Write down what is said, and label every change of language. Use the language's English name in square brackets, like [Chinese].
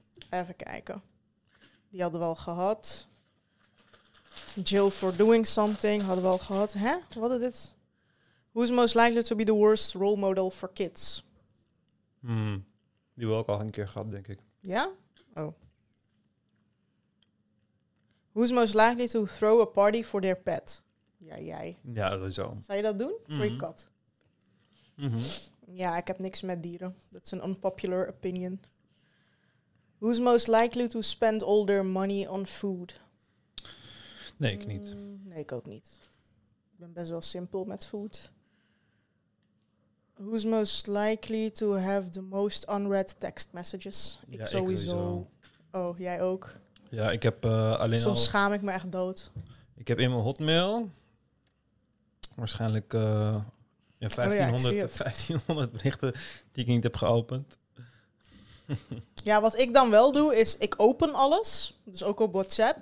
[Dutch] Even kijken. Die hadden we al gehad. Jill for doing something hadden we al gehad. Hè? Wat is dit? [English] Who's most likely to be the worst role model for kids? [Dutch] Die hebben we ook al een keer gehad, denk ik. Ja? Oh. [English] Who's most likely to throw a party for their pet? [Dutch] Ja, jij. Ja, sowieso. Zou je dat doen? Mm-hmm. Voor je kat? Mm-hmm. Ja, ik heb niks met dieren. [English] That's an unpopular opinion. Who's most likely to spend all their money on food? [Dutch] Nee, ik niet. Nee, ik ook niet. Ik ben best wel simpel met food. [English] Who's most likely to have the most unread text messages? [Dutch] Ik, ja, sowieso. Ik sowieso. Oh, jij ook? Ja, ik heb alleen soms al... Soms schaam ik me echt dood. Ik heb in mijn Hotmail... Waarschijnlijk... 1500 berichten die ik niet heb geopend. Ja, wat ik dan wel doe, is ik open alles. Dus ook op WhatsApp.